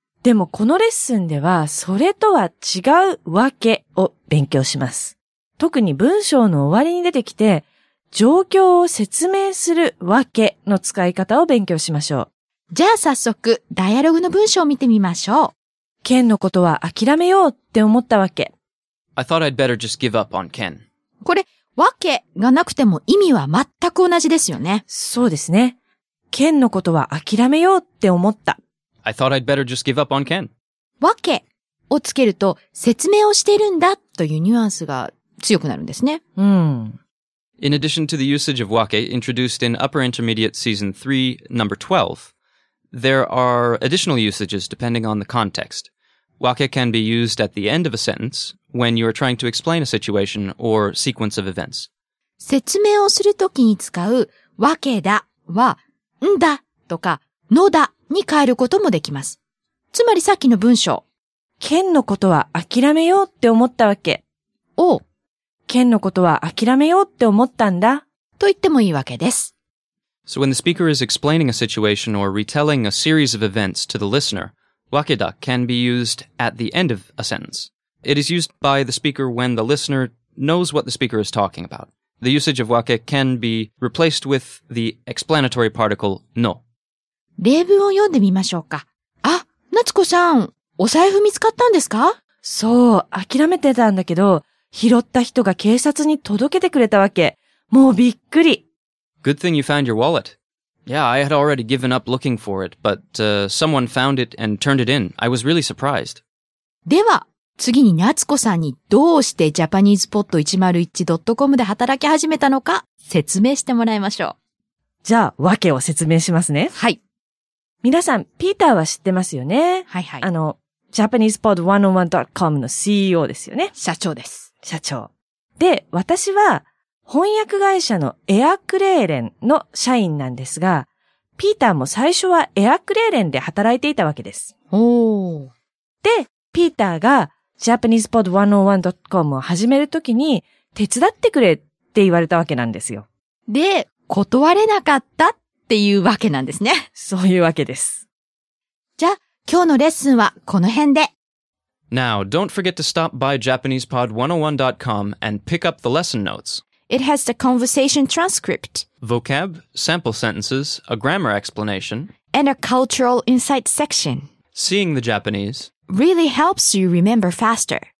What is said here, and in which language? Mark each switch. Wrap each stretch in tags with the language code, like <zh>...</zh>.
<ja>でも、このレッスンでは、それとは違うわけを勉強します。特に文章の終わりに出てきて、状況を説明するわけの使い方を勉強しましょう。じゃあ早速、ダイアログの文章を見てみましょう。ケンのことは諦めようって思ったわけ。</ja> <en>I thought I'd better just give up on Ken.</en> <ja>これ、わけがなくても意味は全く同じですよね。そうですね。ケンのことは諦めようって思った。</ja> <en>I thought I'd better just give up on Ken.</en> <ja>わけをつけると、説明をしてるんだというニュアンスが強くなるんですね。</ja> <en>In addition to the usage of wake introduced in Upper Intermediate Season 3, number 12, there are additional usages depending on the context. Wake can be used at the end of a sentence when you are trying to explain a situation or sequence of events.</en> <ja>説明をするときに使うわけだは、んだとかのだに変えることもできます。つまりさっきの文章、ケンのことは諦めようって思ったわけを、ケンのことは諦めようって思ったんだと言ってもいいわけです。</ja> <en>So when the speaker is explaining a situation or retelling a series of events to the listener, わけだ can be used at the end of a sentence. It is used by the speaker when the listener knows what the speaker is talking about. The usage of わけ can be replaced with the explanatory particle の。</en> <ja>例文を読んでみましょうか。あ、夏子さん、お財布見つかったんですか？そう、諦めてたんだけど、拾った人が警察に届けてくれたわけ。もうびっくり。</ja> <en>Good thing you found your wallet. Yeah, I had already given up looking for it, but someone found it and turned it in. I was really surprised.</en> <ja>では、次に夏子さんにどうしてジャパニーズポット 101.com で働き始めたのか説明してもらいましょう。じゃあ、わけを説明しますね。はい。皆さん、ピーターは知ってますよね。はいはい。 JapanesePod101.com の CEO ですよね。社長です。社長。で、私は翻訳会社のエアクレーレンの社員なんですが、ピーターも最初はエアクレーレンで働いていたわけです。おー。で、ピーターが JapanesePod101.com を始めるときに手伝ってくれって言われたわけなんですよ。で、断れなかったっていうわけなんですね。そういうわけです。じゃあ、今日のレッスンはこの辺で。</ja> <en>Now, don't forget to stop by JapanesePod101.com and pick up the lesson notes. It has the conversation transcript, vocab, sample sentences, a grammar explanation, and a cultural insight section. Seeing the Japanese really helps you remember faster.</en>